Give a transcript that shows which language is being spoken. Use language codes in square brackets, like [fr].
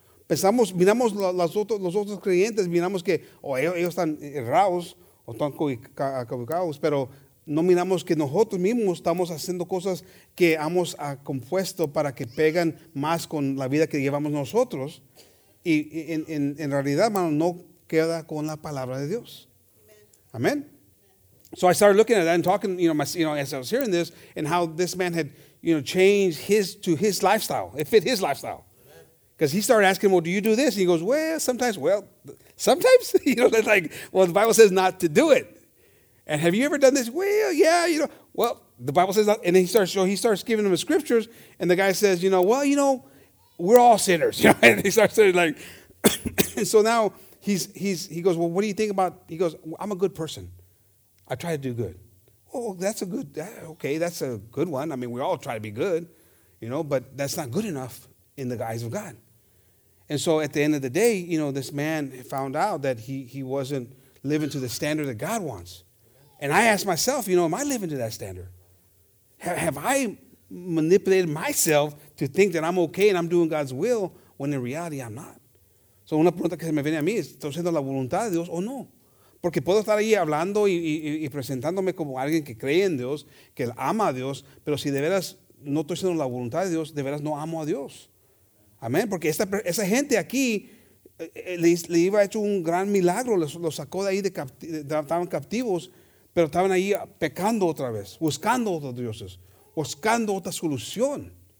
[es] Pensamos, miramos los otros creyentes, miramos que ellos están errados o están equivocados, pero no miramos que nosotros mismos estamos haciendo cosas que hemos compuesto para que pegan más con la vida que llevamos nosotros. Y en realidad, hermano, no queda con la palabra de Dios. Amén. [en] So I started looking at that and talking, as I was hearing this, and how this man had, changed his lifestyle. It fit his lifestyle. Because he started asking, well, do you do this? And he goes, well, sometimes, the Bible says not to do it. And have you ever done this? Well, the Bible says not. And then he starts giving him the scriptures, and the guy says, we're all sinners. And he starts saying, so now he goes, well, what do you think about, he goes, well, I'm a good person. I try to do good. Oh, that's a good one. I mean, we all try to be good, but that's not good enough in the eyes of God. And so at the end of the day, this man found out that he wasn't living to the standard that God wants. And I asked myself, am I living to that standard? Have I manipulated myself to think that I'm okay and I'm doing God's will when in reality I'm not? [es] So una pregunta que se me viene a mí es, ¿estoy haciendo la voluntad de Dios o no? Porque puedo estar ahí hablando y presentándome como alguien que cree en Dios, que ama a Dios, pero si de veras no estoy haciendo la voluntad de Dios, de veras no amo a Dios. Amén. Porque esa gente aquí le iba a hecho un gran milagro, los sacó de ahí, estaban cautivos, pero estaban ahí pecando otra vez, buscando otros dioses, buscando otra solución.